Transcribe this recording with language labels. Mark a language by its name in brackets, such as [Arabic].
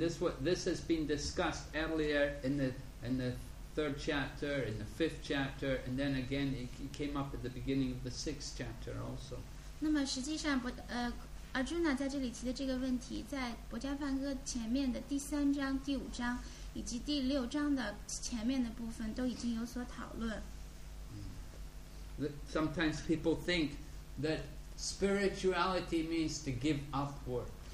[English] This has been discussed earlier in the third chapter, in the fifth chapter, and then again it came up at the beginning of the sixth chapter also. [Chinese] 那么实际上，Arjuna 在这里提的这个问题，在《博伽梵歌》前面的第三章、第五章。 [English] Sometimes people think that spirituality means to give up work.